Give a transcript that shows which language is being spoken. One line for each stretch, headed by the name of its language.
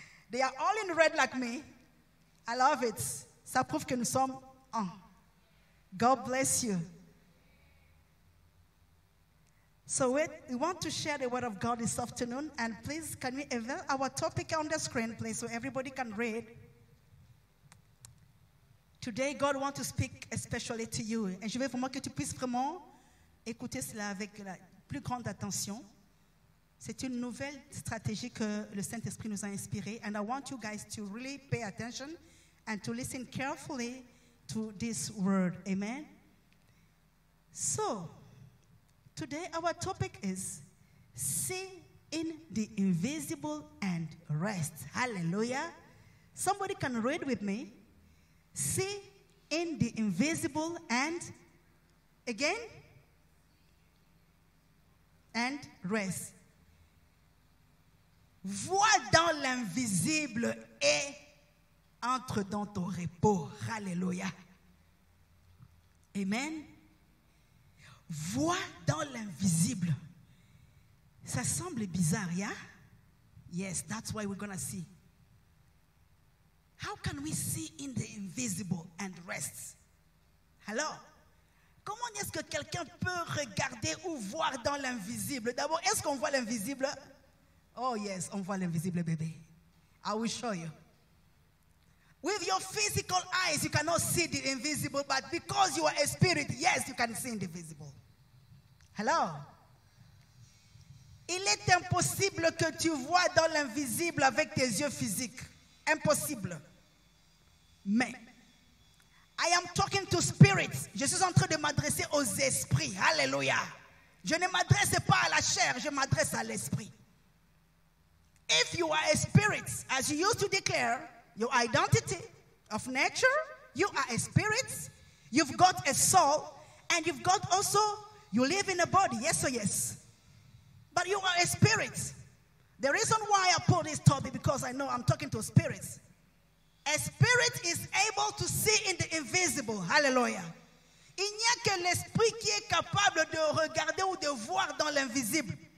English: They are all in red like me. I love it.
French: Ça prouve que nous sommes un.
English: God bless you. So we want to share the word of God this afternoon. And please, can we avail our topic on the screen, please, so everybody can read. Today, God wants to speak especially to you.
French: Et je veux vraiment que tu puisses vraiment écouter cela avec la plus grande attention. C'est une nouvelle stratégie que le Saint-Esprit nous a inspirée.
English: And I want you guys to really pay attention and to listen carefully to this word. Amen. So, today our topic is see in the invisible and rest. Hallelujah. Somebody can read with me. See in the invisible and again and rest.
French: Vois dans l'invisible et entre dans ton repos. Hallelujah. Amen. Vois dans l'invisible. Ça semble bizarre,
English: yeah? Yes, that's why we're gonna see. How can we see in the invisible and rest? Hello?
French: Comment est-ce que quelqu'un peut regarder ou voir dans l'invisible? D'abord, est-ce qu'on voit l'invisible?
English: Oh yes,
French: on voit l'invisible, bébé.
English: I will show you. With your physical eyes, you cannot see the invisible, but because you are a spirit, yes, you can see in the visible. Hello?
French: Il est impossible que tu vois dans l'invisible avec tes yeux physiques. Impossible.
English: Mais, I am talking to spirits.
French: Je suis en train de m'adresser aux esprits. Hallelujah. Je ne m'adresse pas à la chair, je m'adresse à l'esprit.
English: If you are a spirit, as you used to declare, your identity of nature, you are a spirit, you've got a soul, and you've got also, you live in a body, yes or yes. But you are a spirit. The reason why I pull this topic, because I know I'm talking to spirits. A spirit is able to see in the invisible. Hallelujah.
French: Il n'y a que l'esprit qui est capable de regarder ou de voir dans l'invisible.